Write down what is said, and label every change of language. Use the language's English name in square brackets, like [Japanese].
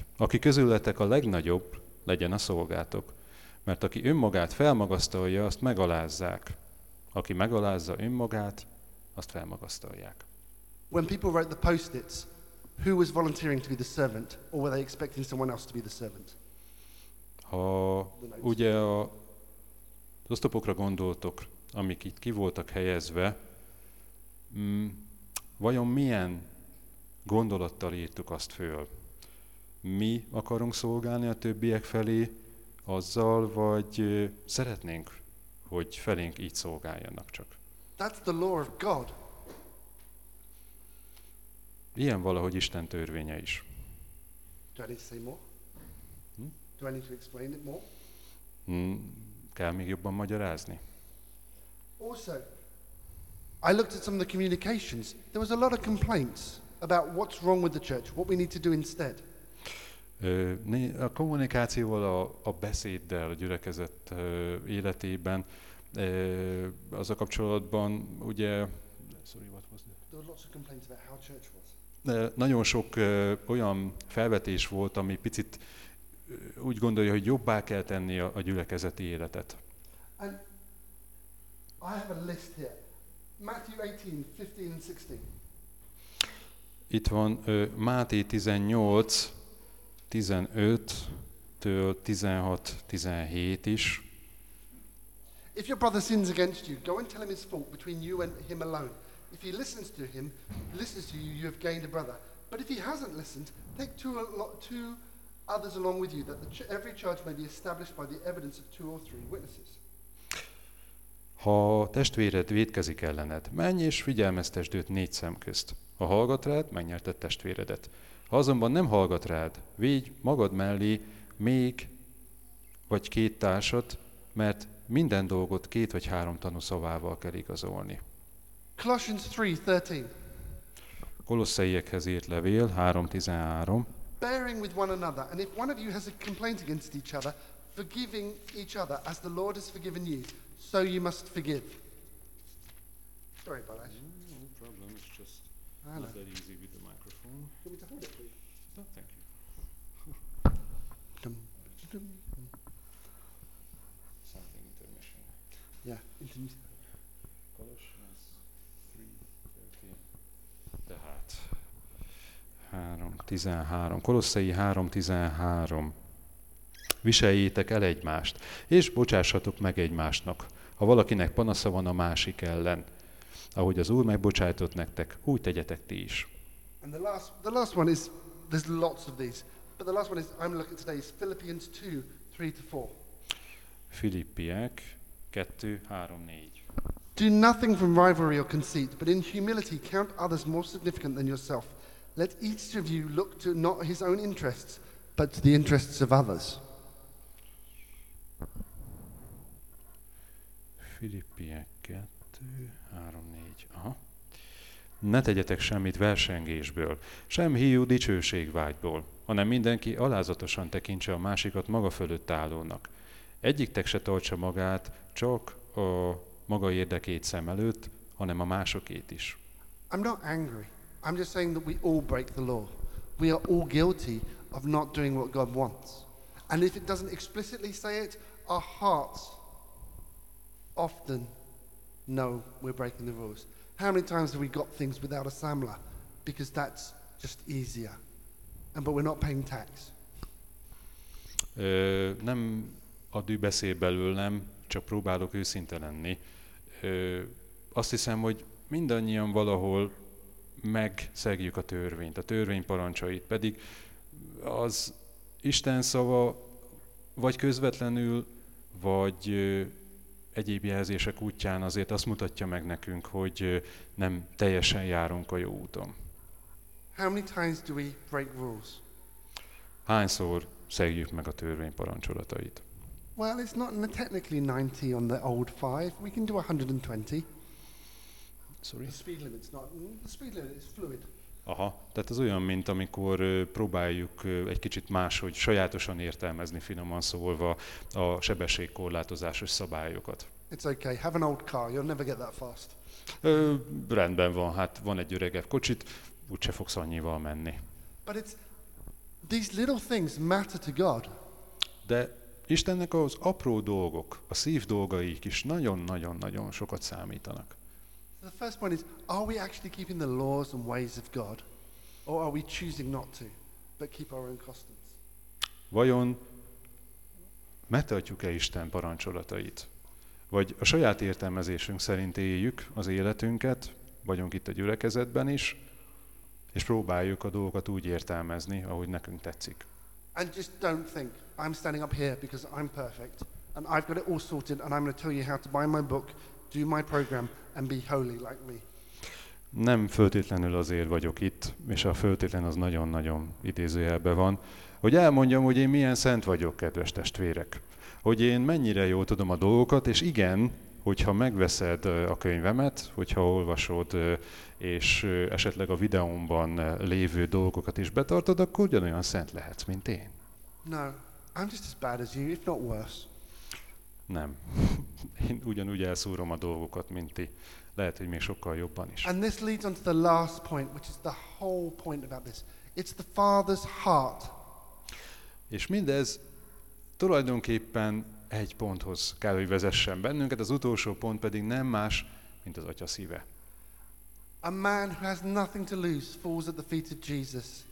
[Hungarian] Aki közületek a legnagyobb, legyen a szolgátok. Mert aki önmagát felmagasztalja, azt megalázzák. Aki megalázza önmagát, azt felmagasztalják. [English] When people write the post-its, who was volunteering to be the servant, or were they expecting someone else to be the servant? [Hungarian] Ha ugye az oszlopokra gondoltok, amik itt ki voltak helyezve, vajon milyen gondolattal írtuk azt föl? Mi akarunk szolgálni a többiek felé azzal, vagy szeretnénk, hogy felénk így szolgáljanak csak? [English] That's the law of God. [Hungarian] Ilyen valahogy Isten törvénye is. [English] Do I need to say more? Do I need to explain it more? [Hungarian] Kell még jobban magyarázni? [English] Also, I looked at some of the communications. There was a lot of complaints about what's wrong with the church, what we need to do instead. [Hungarian] A kommunikációval, a beszéddel, a gyülekezet életében, az a kapcsolatban, ugye... [English] Sorry, what was that? There were lots of complaints about how church was. [Hungarian] Nagyon sok olyan felvetés volt, ami picit úgy gondolja, hogy jobbá kell tenni a gyülekezeti életet. [English] And I have a list here. Matthew 18:15-16. [Hungarian] Itt van Máté 18:15-16-17 is. [English] If your brother sins against you, go and tell him his fault between you and him alone. If he listens to you, you have gained a brother. But if he hasn't listened, take two others along with you, that every charge may be established by the evidence of two or three witnesses. [Hungarian] Ha testvéred vétkezik ellened, menj és figyelmeztesd őt négy szem közt. Ha hallgat rád, megnyerted testvéredet. Ha azonban nem hallgat rád, vigy magad mellé még vagy két társat, mert minden dolgot két vagy három tanú szavával kell igazolni. [English] Colossians 3:13. [Hungarian] Kolosszeiekhez írt levél 3:13. [English] Bearing with one another, and if one of you has a complaint against each other, forgiving each other as the Lord has forgiven you, so you must forgive. Sorry, Balázs. No problem, it's just not that easy with the microphone. Can we hold it, please? No, thank you. Something intermission. Yeah, intermission. Colossians 3:13. [Hungarian] Tehát. [English] 3:13. [Hungarian] Kolosszei 3:13. Viseljétek el egymást, és bocsássatok meg egymásnak, ha valakinek panasza van a másik ellen. Ahogy az Úr megbocsájtott nektek, úgy tegyetek ti is. [English] And the last one is, there's lots of these, but the last one is, I'm looking today, is Philippians 2:3-4. [Hungarian] Filippiek 2:3-4. [English] Do nothing from rivalry or conceit, but in humility count others more significant than yourself. Let each of you look to not his own interests, but to the interests of others. [Hungarian] Filippiek 2, 3, 4, aha. Ne tegyetek semmit versengésből, sem hiú dicsőségvágyból, hanem mindenki alázatosan tekintse a másikat maga fölött állónak. Egyiktek se tartsa magát csak a maga érdekét szem előtt, hanem a másokét is. [English] I'm not angry. I'm just saying that we all break the law. We are all guilty of not doing what God wants. And if it doesn't explicitly say it, our hearts often know we're breaking the rules. How many times have we got things without a samla? Because that's just easier. And but we're not paying tax. [Hungarian] Nem adű beszél belőlem, csak próbálok őszinte lenni. Azt hiszem, hogy mindannyian valahol megszegjük a törvényt, a törvény parancsait, pedig az Isten szava vagy közvetlenül, vagy egyéb jelzések útján azért azt mutatja meg nekünk, hogy nem teljesen járunk a jó úton. [English] How many times do we break rules? [Hungarian] Hányszor szegjük meg a törvény parancsolatait? [English] Well, it's not technically 90 on the old five. We can do 120. Sorry. The speed limit's not. The speed limit is fluid. [Hungarian] Aha, tehát ez olyan, mint amikor próbáljuk egy kicsit máshogy sajátosan értelmezni, finoman szólva, a sebességkorlátozásos szabályokat. [English] It's okay. Have an old car. You'll never get that fast. [Hungarian] Rendben van. Hát van egy öregebb kocsit, úgyse fogsz annyival menni. [English] But it's these little things matter to God. [Hungarian] De Istennek az apró dolgok, a szív dolgai is nagyon-nagyon-nagyon sokat számítanak. [English] The first point is, are we actually keeping the laws and ways of God, or are we choosing not to, but keep our own customs? [Hungarian] Vajon megtartjuk-e Isten parancsolatait? Vagy a saját értelmezésünk szerint éljük az életünket, vagyunk itt a gyülekezetben is, és próbáljuk a dolgokat úgy értelmezni, ahogy nekünk tetszik. [English] And just don't think I'm standing up here because I'm perfect and I've got it all sorted and I'm going to tell you how to buy my book, do my program and be holy like me. [Hungarian] Nem föltétlenül azért vagyok itt, és a föltétlen az nagyon-nagyon idézőjelben van, hogy elmondjam, hogy én milyen szent vagyok, kedves testvérek. Hogy én mennyire jól tudom a dolgokat, és igen, hogyha megveszed a könyvemet, hogyha olvasod, és esetleg a videómban lévő dolgokat is betartod, akkor ugyanolyan szent lehetsz, mint én. [English] No, I'm just as bad as you, if not worse. [Hungarian] Nem. Én ugyanúgy elszúrom a dolgokat, mint ti. Lehet, hogy még sokkal jobban is. [English] And this leads on to the last point, which is the whole point about this. It's the Father's heart. [Hungarian] És mindez tulajdonképpen egy ponthoz kell, hogy vezessen bennünket, az utolsó pont pedig nem más, mint az Atya szíve. [English] A man who has nothing to lose falls at the feet of Jesus.